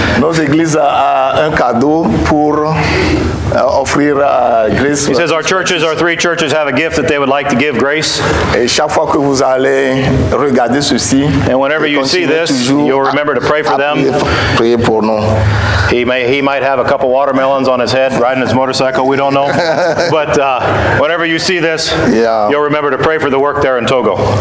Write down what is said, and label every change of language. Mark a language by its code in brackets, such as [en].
[fr] Notre église a un cadeau pour offrir à Grace. [en] He says our three churches have a gift that they would like to give Grace. [fr] Et chaque fois que vous allez regarder ceci, [en] and whenever you see this, you'll remember to pray for them. [fr] Priez pour nous. [en] He might have a couple watermelons on his head riding his motorcycle. We don't know. But whenever you see this, yeah. you'll remember to pray for the work there in Togo.